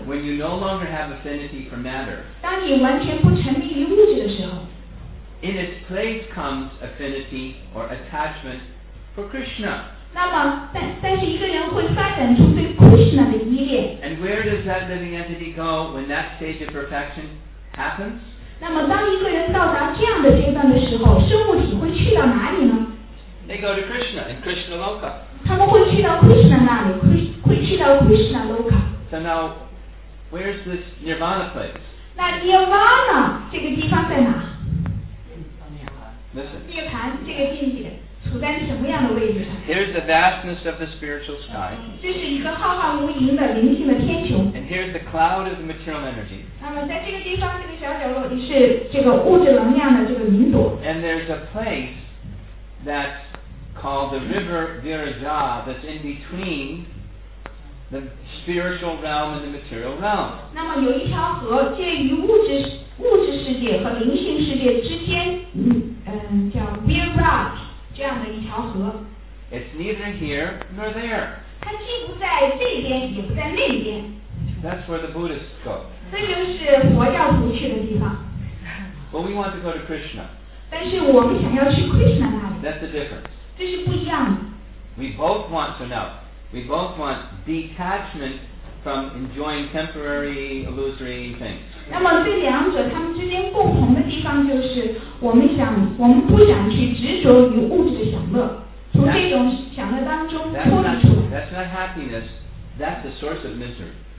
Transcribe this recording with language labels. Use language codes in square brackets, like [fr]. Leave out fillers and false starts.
[en] When you no longer have affinity for matter [zh] 当你完全不沉迷于物质的时候 [en] In its place comes affinity or attachment for Krishna [zh] 那么 但是一个人会发展出对 Krishna 的依恋 [en] And where does that living entity go when that stage of perfection happens? [zh] 那么当一个人到达这样的阶段的时候生物体会去到哪里呢 [en] They go to Krishna in Krishna Loka [zh] 他们会去到 Krishna 那里会去到 Krishna Loka [en] So now where's this Nirvana place? [zh] 那 Nirvana 这个地方在哪 [en] Listen [zh] 涅槃这个境界处在什么样的位置上 [en] Here's the vastness of the spiritual sky [zh] 这是一个浩瀚无垠的灵性的天球 [en] And here's the cloud of the material energy [zh] 那么在这个地方这个小角落里是这个物质能量的这个云朵 [en] And there's a place that's called the river Viraja that's in between the spiritual realm and the material realm [zh] 那么有一条河介于物质世界和灵性世界之间叫 Viraja 这样的一条河 [en] It's neither here nor there [zh] 它既不在这边也不在那边 [en] That's where the Buddhists go. [zh] 这就是佛教徒去的地方。 [en] But we want to go to Krishna. [zh] 但是我们想要去 Krishna 那里。 [en] That's the difference. [zh] 这是不一样的。 [en] We both want to know. We both want detachment from enjoying temporary illusory things. [zh] 那么这两者他们之间共同的地方就是我们想我们不想去执着于物质的享乐从这种享乐当中脱离出来 [en] that's not happiness that's the source of misery